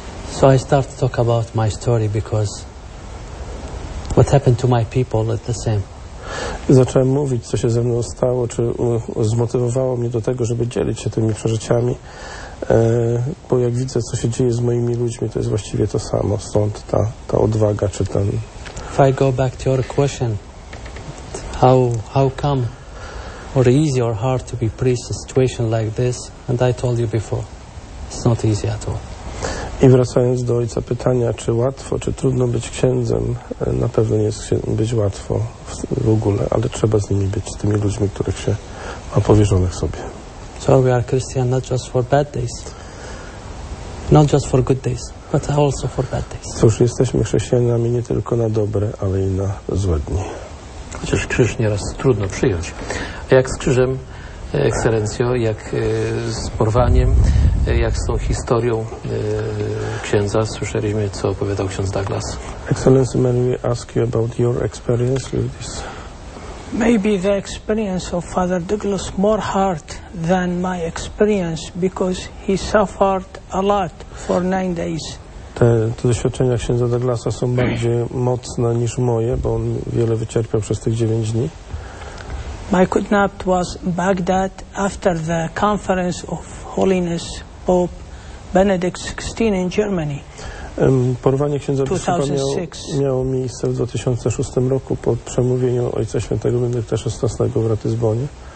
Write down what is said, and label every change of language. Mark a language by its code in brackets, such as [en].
[en] So I start to talk about my story because what happened to my people is the same. [pl] Zacząłem mówić, co się ze mną stało, czy zmotywowało mnie do tego, żeby dzielić się tymi przeżyciami, bo jak widzę, co się dzieje z moimi ludźmi, to jest właściwie to samo, stąd ta odwaga, czy ten... [en] If I go back to your question, how come or easy or hard to be priest in a situation like this, and I told you before, it's not easy at all. [pl] I wracając do ojca pytania, czy łatwo, czy trudno być księdzem, na pewno nie jest być łatwo w ogóle, ale trzeba z nimi być, z tymi ludźmi, których się ma powierzonych sobie. [en] So we are Christian not just for bad days, not just for good days, but also for bad days. [pl] Cóż, jesteśmy chrześcijanami nie tylko na dobre, ale i na złe dni. Chociaż krzyż nieraz trudno przyjąć. A jak z krzyżem, ekscelencjo, jak z porwaniem, jak z tą historią księdza? Słyszeliśmy, co opowiadał ksiądz Douglas. [en] Excellency, may we ask you about your experience with this? Maybe the experience of Father Douglas more hard than my experience because he suffered a lot for 9 days. [pl] Te doświadczenia księdza Douglasa są bardziej mocne niż moje, bo on wiele wycierpiał przez tych 9 dni. [en] My kidnapped was in Baghdad after the conference of Holiness Pope Benedict XVI in Germany. [pl] Porwanie księdza biskupa miało miejsce w 2006 roku po przemówieniu Ojca Świętego Benedykta XVI w Ratyzbonie.